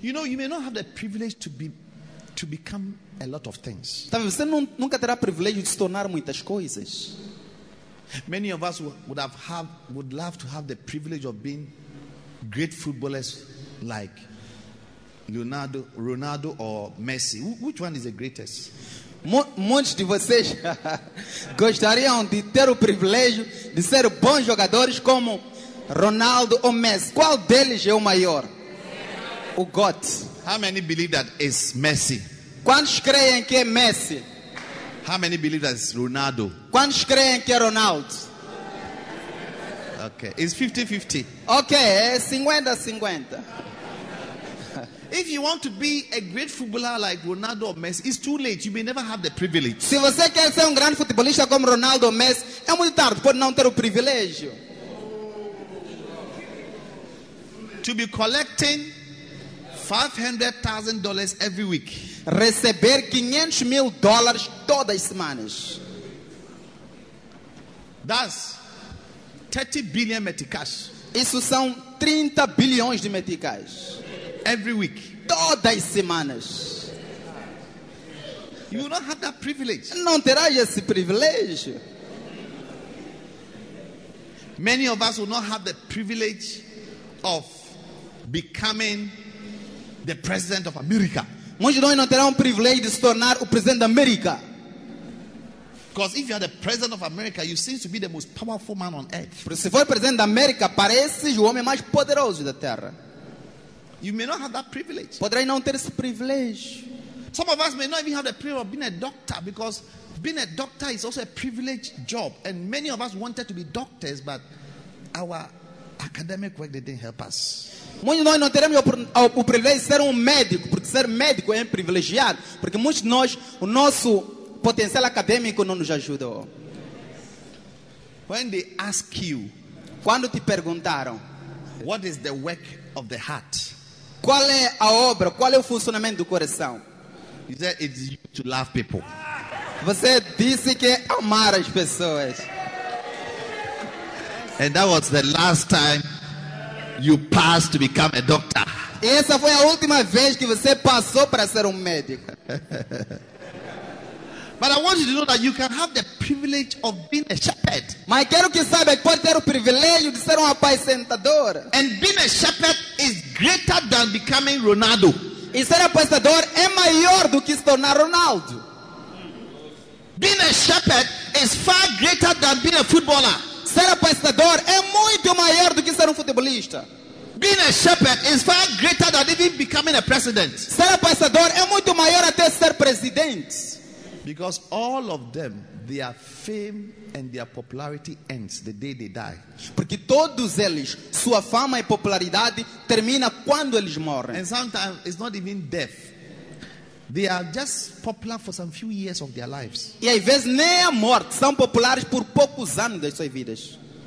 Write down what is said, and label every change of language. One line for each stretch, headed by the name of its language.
English: You know, you may not have the privilege to become a lot of things.
Portuguese: Talvez você nunca terá privilégio de se tornar muitas coisas.
English: Many of us would love to have the privilege of being great footballers. Like Ronaldo or Messi, which one is the greatest?
Portuguese: Muitos de vocês gostariam de ter o privilégio de ser bons jogadores como Ronaldo ou Messi. Qual deles é o maior? O GOAT.
English: How many believe that is Messi?
Portuguese: Quantos creem que é Messi?
English: How many believe that is Ronaldo?
Portuguese: Quantos creem que é Ronaldo?
English: Okay, it's 50-50.
Portuguese: Okay, 50-50.
English: If you want to be a great footballer like Ronaldo or Messi, it's too late. You may never have the privilege.
Portuguese: Se você quer ser grande futebolista como Ronaldo ou Messi, é muito tarde, pode não ter o privilégio.
English: To be collecting $500,000 every week.
Portuguese: Receber $500,000 todas as semanas.
English: That's 30 billion meticais.
Portuguese: Isso são 30 bilhões de meticais.
English: Every week.
Portuguese: Todas as semanas.
English: You will not have that privilege.
Portuguese: Não terá esse privilégio.
English: Many of us will not have the privilege of becoming the president of America.
Portuguese: Muitos de nós não terão o privilégio de se tornar o presidente da América.
English: Because if you are the president of America, you seem to be the most powerful man on earth.
Portuguese: Porque se for presidente da América, parece o homem mais poderoso da Terra.
English: You may not have that privilege.
Portuguese: Poderei não ter esse privilégio.
English: Some of us may not even have the privilege of being a doctor, because being a doctor is also a privileged job. And many of us wanted to be doctors, but our academic work didn't help us.
Portuguese: Muitos de nós não teremos o privilégio de ser médico, porque ser médico é privilegiado. Porque muitos de nós, o nosso potencial acadêmico não nos ajudou.
English: When they ask you,
Portuguese: quando te perguntaram,
English: what is the work of the heart?
Portuguese: Qual é a obra? Qual é o funcionamento do coração?
English: You said it's you to love people.
Portuguese: Você disse que é amar as pessoas.
English: And that was the last time you passed to become a doctor.
Portuguese: Essa foi a última vez que você passou para ser médico.
English: But I want you to know that you can have the privilege of being a shepherd.
Portuguese: Mas quero que saiba que pode ter o privilégio de ser um apacentador.
English: And being a shepherd is greater than becoming Ronaldo.
Portuguese: E ser apacentador é maior do que se tornar Ronaldo.
English: Being a shepherd is far greater than being a footballer.
Portuguese: Ser apacentador é muito maior do que ser futebolista.
English: Being a shepherd is far greater than even becoming a president.
Portuguese: Ser apacentador é muito maior até ser presidente.
English: Because all of them, their fame and their popularity ends the day they die.
Portuguese: Porque todos eles, sua fama e popularidade termina quando eles morrem.
English: And sometimes it's not even death. They are just popular for some few years of their lives.
Portuguese: E às vezes nem a morte, são populares por poucos anos das suas vidas.